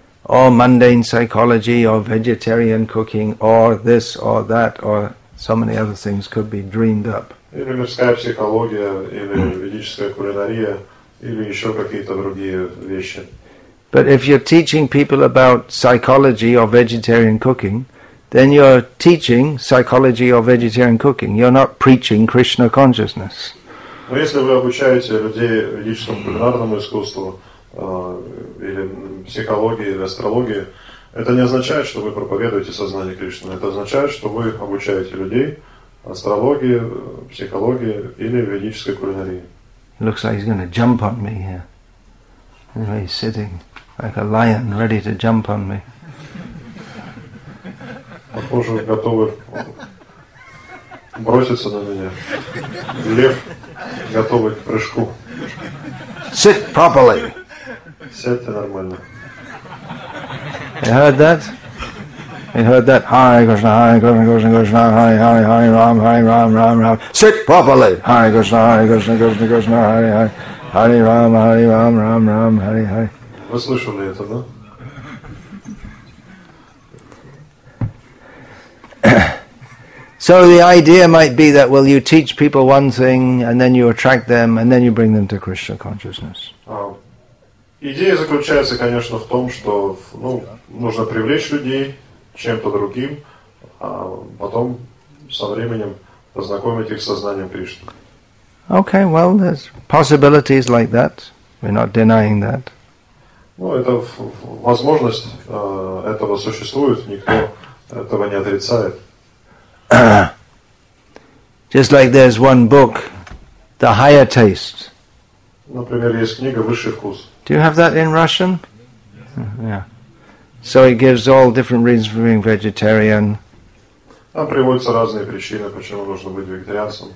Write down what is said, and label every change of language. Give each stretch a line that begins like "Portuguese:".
English: Or mundane psychology, or vegetarian cooking, or this, or that, or so many other things could be dreamed up.
Russian: Или мирская психология, или ведическая кулинария, или еще какие-то другие вещи.
English: But if you're teaching people about psychology or vegetarian cooking, then you're teaching psychology or vegetarian cooking. You're not preaching Krishna consciousness.
Russian: Но если вы обучаете людей ведическому кулинарному искусству или психологии или астрологии, это не означает, что вы проповедуете сознание Кришны. Это означает, что вы обучаете людей астрологии, психологии или ведической кулинарии.
English: Looks like he's going to jump on me here. Anyway, he's sitting like a lion, ready to jump on me.
Russian: Похоже, готовы броситься на меня. Лев, готовый к прыжку.
English: Sit properly.
Russian: Сядьте нормально.
English: You heard that? You heard that?
Sanskrit: Hare Krishna, Hare Krishna, Krishna Krishna, Hare Hare, Hare Ram, Hare Ram, Ram Ram.
English: Sit properly!
Sanskrit: Hare Krishna, Hare Krishna, Krishna Krishna, Hare Hare, Hare Ram, Hare Ram, Ram Ram, Hare Hare.
Russian: Вы слышали это, да?
English: So the idea might be that, well, you teach people one thing, and then you attract them, and then you bring them to Krishna consciousness.
Russian: Идея заключается, конечно, в том, что ну, нужно привлечь людей чем-то другим, а потом со временем познакомить их с сознанием Кришны.
English: Okay, well, there's possibilities like that. We're not denying that.
Russian: Ну, это возможность этого существует. Никто этого не отрицает.
English: Just like there's one book, The Higher Taste.
Russian: Например, есть книга «Высший вкус».
English: Do you have that in Russian? Yes. Yeah. So it gives all different reasons for being vegetarian.
Russian: Там приводятся разные причины, почему нужно быть вегетарианцем.